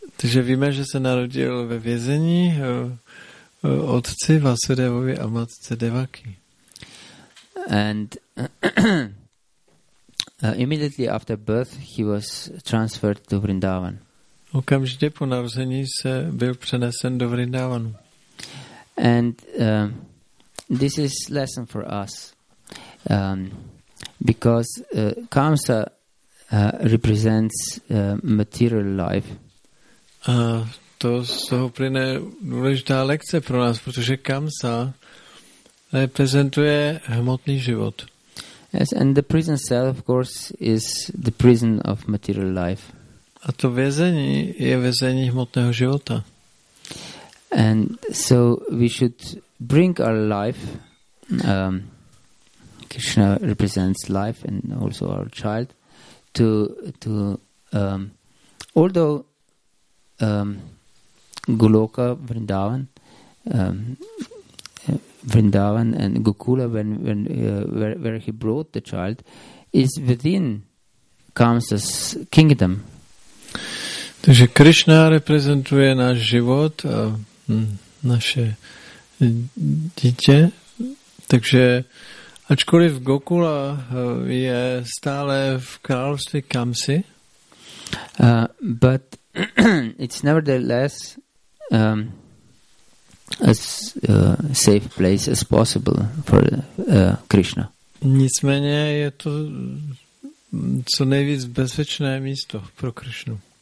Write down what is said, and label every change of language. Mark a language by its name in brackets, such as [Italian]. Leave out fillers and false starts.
[Czech] Takže víme, že se narodil ve vězení otci Vasudevovi a matce Devaki. [English] And immediately after birth, he was transferred to Vrindavan. [Czech] Okamžitě po narození se byl přenesen do Vrindavanu. [English] And this is lesson for us. Because Kamsa represents material life. [Czech] A to z toho plyne důležitá lekce pro nás, protože Kamsa reprezentuje hmotný život. [English] Yes, and the prison cell, of course, is the prison of material life. [Czech] A to vězení je vězení hmotného života. [English] And so we should bring our life. Krishna represents life and also our child. Although Goloka Vrindavan, Vrindavan and Gokula, where he brought the child, is within Kamsa's kingdom. [Czech] Takže Krishna reprezentuje náš život a naše dítě. Takže ačkoliv Gokula je stále v království Kamsi, [English] but it's nevertheless as safe place as possible for Krishna. [Czech] Nicméně je to co nejvíc bezpečné místo pro Krishnu.